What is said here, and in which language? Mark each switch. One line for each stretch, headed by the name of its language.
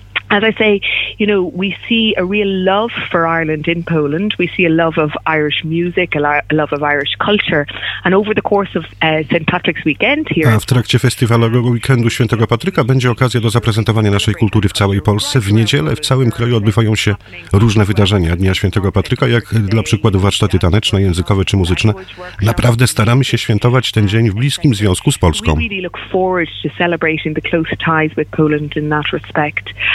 English: As I say, you know, we see a real love for Ireland in Poland. We see a love of Irish music, a love of Irish culture. And over the course of St. Patrick's weekend here.
Polish: A w trakcie festiwalowego weekendu Świętego Patryka będzie okazja do zaprezentowania naszej kultury w całej Polsce. W niedzielę w całym kraju odbywają się różne wydarzenia Dnia Świętego Patryka, jak dla przykładu warsztaty taneczne, językowe czy muzyczne. Naprawdę staramy się świętować ten dzień w bliskim związku z Polską.
English: We really look forward to celebrating the close ties with Poland in that respect.